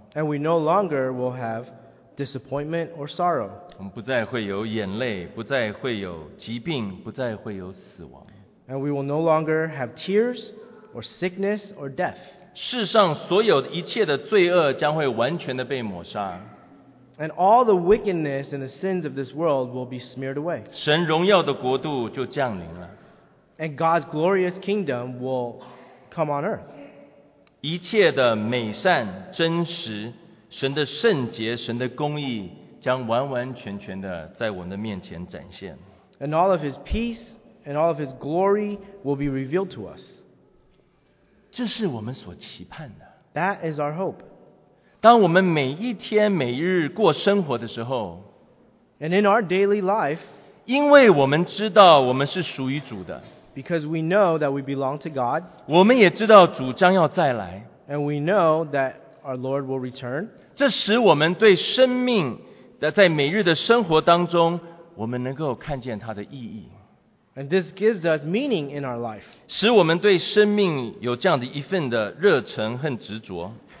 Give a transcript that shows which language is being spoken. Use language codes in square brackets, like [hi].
[en] And we no longer will have disappointment or sorrow. [zh] 我们不再会有眼泪，不再会有疾病，不再会有死亡。 [en] And we will no longer have tears or sickness or death. [zh] 世上所有一切的罪恶将会完全的被抹杀。 [en] And all the wickedness and the sins of this world will be smeared away. [zh] 神荣耀的国度就降临了。 [en] And God's glorious kingdom will come on earth. [zh] 一切的美善、真实、神的圣洁、神的公义将完完全全的在我们的面前展现。 [en] And all of his peace and all of his glory will be revealed to us. [zh] 这是我们所期盼的。 [en] That is our hope. [zh] 当我们每一天每日过生活的时候 [en] And in our daily life, [zh] 因为我们知道我们是属于主的 [en] Because we know that we belong to God, [zh] 我们也知道主将要再来 [en] And we know that our Lord will return, [zh] 这使我们对生命的在每日的生活当中我们能够看见它的意义 [en] And this gives us meaning in our life, [zh] 使我们对生命有这样的一份的热忱和执着